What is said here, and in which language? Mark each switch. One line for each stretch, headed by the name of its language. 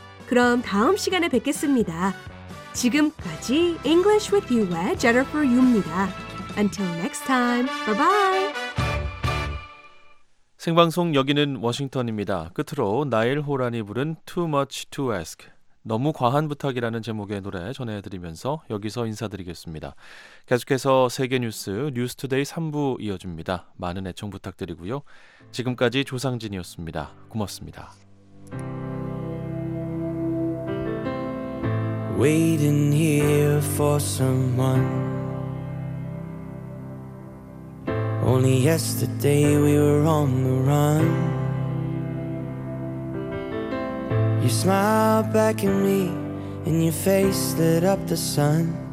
Korean: 그럼 다음 시간에 뵙겠습니다. 지금까지 English with You의 Jennifer Yu입니다.
English: Until next time, bye-bye.
Korean: 생방송 여기는 워싱턴입니다. 끝으로 나일 호란이 부른 Too Much to Ask, 너무 과한 부탁이라는 제목의 노래 전해드리면서 여기서 인사드리겠습니다. 계속해서 세계 뉴스 뉴스투데이 3부 이어집니다. 많은 애청 부탁드리고요. 지금까지 조상진이었습니다. 고맙습니다.
English: Waiting here for someone. Only yesterday we were on the run. You smiled back at me and your face lit up the sun.